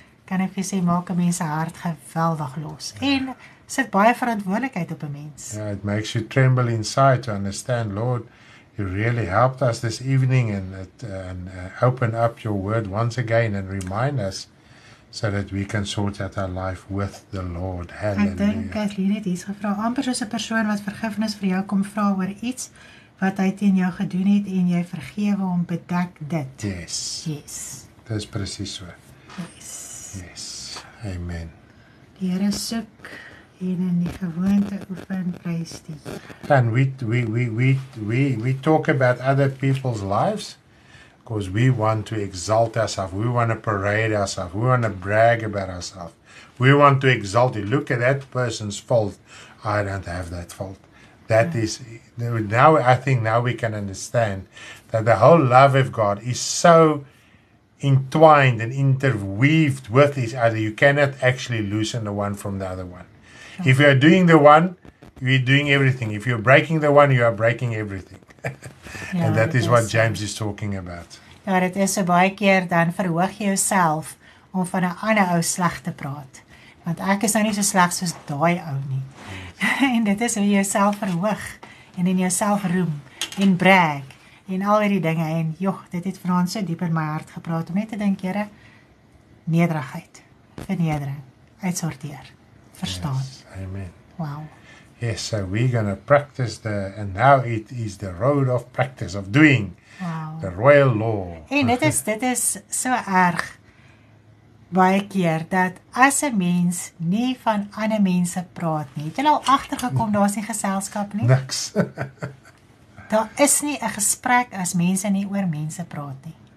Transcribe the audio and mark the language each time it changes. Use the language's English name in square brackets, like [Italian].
[Afrikaans] Kan ek vir sê, maak 'n mens se hart geweldig los. Ja. En sit baie verantwoordelikheid op 'n mens. [English] Yeah, it makes you tremble inside to understand, Lord, you really helped us this evening and open up your word once again and remind us so that we can sort out our life with the Lord. Hallelujah. [Afrikaans] Ek dink Kathleen het iets gevra, amper soos 'n persoon wat vergifnis vir jou kom vra oor iets wat hy teen jou gedoen het en jy vergewe hom, bedek dit. [English] Yes. Yes. [Afrikaans] Dit is presies so. [English] Yes. Yes. Amen. [Afrikaans] Die Here soek en in die gewoonte oefen, prys die [English] Here. And we talk about other people's lives. Because we want to exalt ourselves. We want to parade ourselves. We want to brag about ourselves. We want to exalt it. Look at that person's fault. I don't have that fault. That is, now I think now we can understand that the whole love of God is so entwined and interweaved with each other. You cannot actually loosen the one from the other one. Sure. If you are doing the one, you're doing everything. If you're breaking the one, you are breaking everything. Ja, and that is what James is talking about. [Afrikaans] Ja, dit is so baie keer dan verhoog jy jouself om van 'n ander ou sleg te praat. Want ek is nou nie so sleg soos daai ou nie. En dit is hoe jy jouself verhoog en in jouself roem en brag en al hierdie dinge. En joh, dit het vanaand so diep in my hart gepraat om net te dink, Here, nederigheid, vernedering, uitsorteer, verstaan. [English] Yes, amen. Wow. Yes, so we're going to practice the, and now it is the road of practice, of doing, wow. The royal law. [Afrikaans] En dit is so erg, baie keer, dat as 'n mens nie van ander mense praat nie, het jy al agtergekom, daar is nie geselskap nie? Niks. Daar is nie 'n gesprek as mense nie oor mense praat nie.